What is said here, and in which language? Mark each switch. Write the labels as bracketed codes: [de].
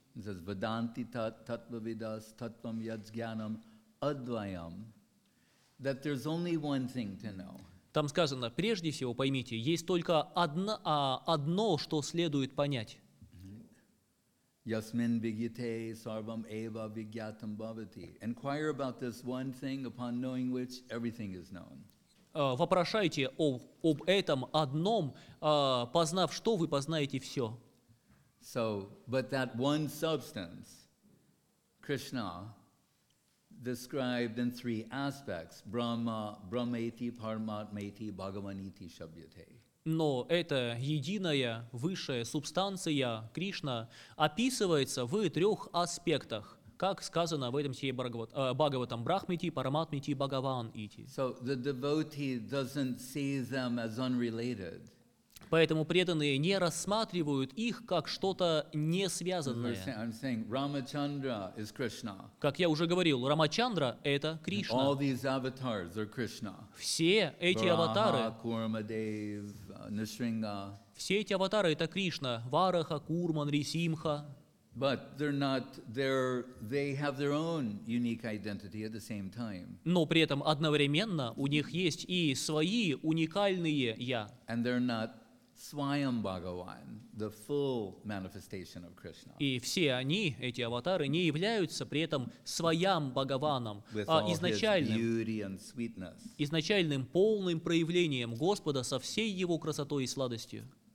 [en] It says, [sa] Vedanti tattvavidas tattvam yajnanam advayam. [en] That there's only one thing to know. [ru] Там сказано, прежде всего, поймите, есть только одно, что следует понять. [sa] Yasmin vigyate sarvam eva vigyatam bhavati. [en] Inquire about this one thing, upon knowing which everything is known. [ru] Вопрошайте об этом одном, познав что, вы познаете все. [en] So, but that one substance, Krishna, described in three aspects: [sa] Brahma, Brahmeti, Paramatmeti, Bhagavaniti, Shabyate. [ru] Но эта единая высшая субстанция Кришна описывается в трех аспектах. Как сказано в этом стихе Бхагаватам: [sa] Брахмити, Параматмити, Бхагаван ити. [en] So the devotee doesn't see them as unrelated. [ru] Поэтому преданные не рассматривают их как что-то не связанное. [en] I'm saying Рамачандра is Krishna. [ru] Как я уже говорил, Рамачандра – это Кришна. [en] All these avatars are Krishna. [ru] Все эти аватары. Брахма, Курмадев, Нисринга. Все эти аватары – это Кришна. Вараха, Курма, Нрисимха. [en] But they're not. They have their own unique identity at the same time. [ru] Но при этом одновременно у них есть и свои уникальные я. [en] And they're not Swayam Bhagavan, the full manifestation of Krishna. [ru] И все они, эти аватары, не являются при этом Swayam Bhagavanом, а изначальным полным проявлением Господа со всей его красотой и сладостью.